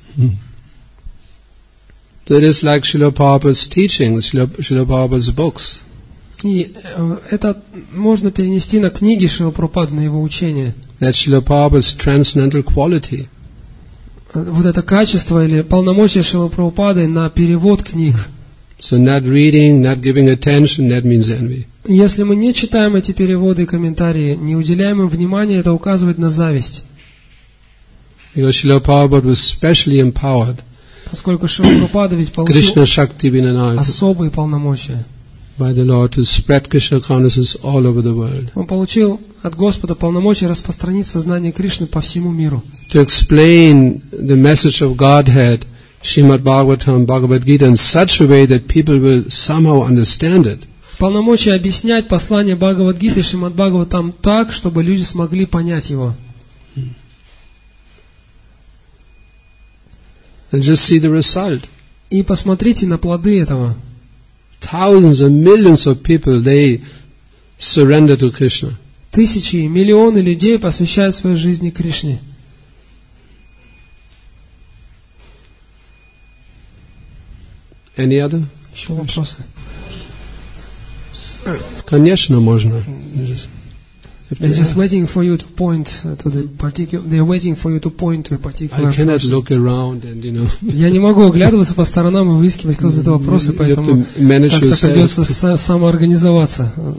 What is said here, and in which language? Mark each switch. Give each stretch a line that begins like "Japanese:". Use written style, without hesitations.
English: It is like Srila Prabhupada's teachings, Srila Prabhupada's books.
Russian: И это можно перенести на книги Шрила Прабхупады, на его учение.
English: That Srila Prabhupada's transcendental quality.
Russian: Вот это качество или полномочия Шрила Прабхупады на перевод книг.
English: So not reading, not giving attention, that means envy.
Russian: Если мы не читаем эти переводы и комментарии, не уделяем им внимания, это указывает на зависть.
English: Srila Prabhupada was specially empowered.
Russian: Поскольку Шрила Прабхупада ведь получил особые полномочия.
English: By the Lord to spread Krishna consciousness all over the world.
Russian: Он получил от Господа полномочия распространить сознание Кришны по всему миру.
English: To explain the message of Godhead, Srimad Bhagavatam, Bhagavad Gita, in such a way that people will somehow understand it.
Russian: Полномочия объяснять послание Бхагавад Гиты Шримад Бхагаватам так, чтобы люди смогли понять его.
English: And just see the result.
Russian: И посмотрите на плоды этого.
English: Thousands and millions of people they surrender to Krishna.
Russian: Тысячи, миллионы людей посвящают свою жизнь Кришне.
English: Any other?
Russian: Еще вопросы? Конечно, можно.
English: They're just waiting for you to point to the particular. They're waiting for you to point to a particular. I cannot person. Look around and you know.
Russian: Я не могу оглядываться по сторонам и выискивать какие-то за вопросы, поэтому как-то придется самоорганизоваться.